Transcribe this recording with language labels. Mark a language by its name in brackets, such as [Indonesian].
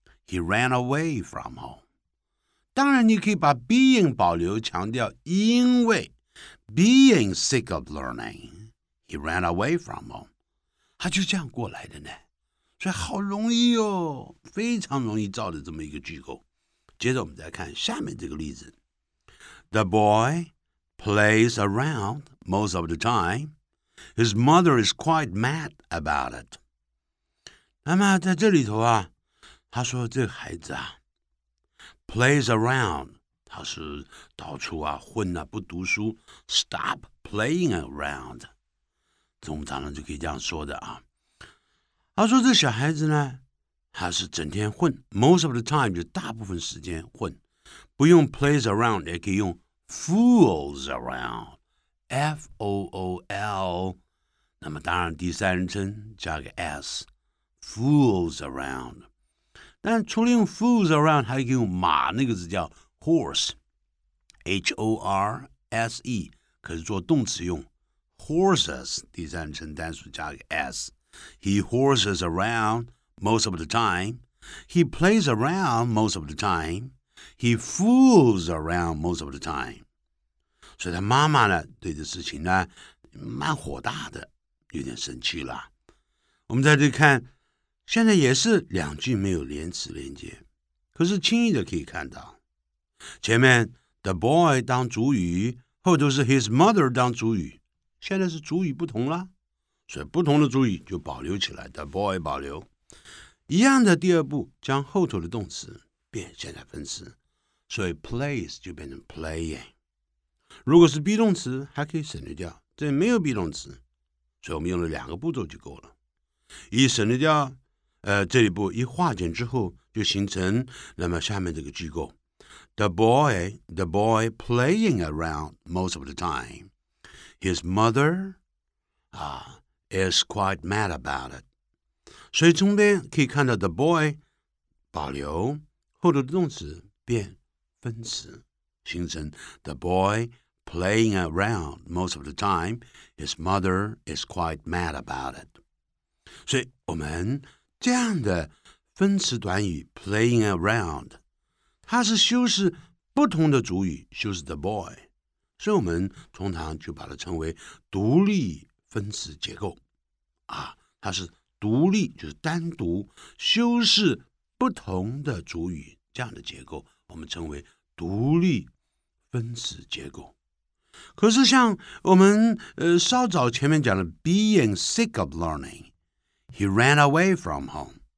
[English] He ran away from home. [Chinese] 当然你可以把 [English] being [Chinese] 保留强调因为 [English] being sick of learning. He ran away from home. [Chinese] 他就这样过来的呢。所以好容易哦，非常容易造的这么一个句构。接着我们再看下面这个例子。 [English] The boy plays around most of the time. His mother is quite mad about it. [Chinese] 那么在这里头啊，他说这个孩子啊 plays around, 他是到处啊混啊不读书 [English] stop playing around. [Chinese] 总长就可以这样说的啊。他说这小孩子呢他是整天混 [English] most of the time, [Chinese] 就大部分时间混。不用 plays around, 也可以用 fools around, F-O-O-L, 那么当然第三人称加个 S, fools around. 但除了用 fools around, 还可以用马那个字叫 horse, H-O-R-S-E, 可是做动词用 horses, 第三人称单数加个 s. [English] He horses around most of the time. He plays around most of the time. He fools around most of the time. [Chinese] 所以他妈妈呢对这事情呢蛮火大的，有点生气了。我们再去看现在也是两句没有连词连接，可是轻易的可以看到，前面 the boy 当主语，后头是 his mother 当主语，现在是主语不同了，所以不同的主语就保留起来 ，the boy 保留。一样的第二步，将后头的动词变现在分词，所以 plays 就变成 playing。如果是 be 动词，还可以省略掉，这没有 be 动词，所以我们用了两个步骤就够了，一省略掉。这一步一化简之后就形成那么下面这个句构 [English] The boy playing around most of the time. His mother、is quite mad about it. [Chinese] 所以中间可以看到 [English] the boy 保留后头的动词变分词，形成 the boy playing around most of the time. His mother is quite mad about it. [Chinese] 所以我们这样的分词短语 playing around, 它是修饰不同的主语，修饰 the boy, 所以我们通常就把它称为独立分词结构。啊，它是独立，就是单独修饰不同的主语，这样的结构我们称为独立分词结构。可是像我们稍早前面讲的 [English] being sick of learning,He ran away from home.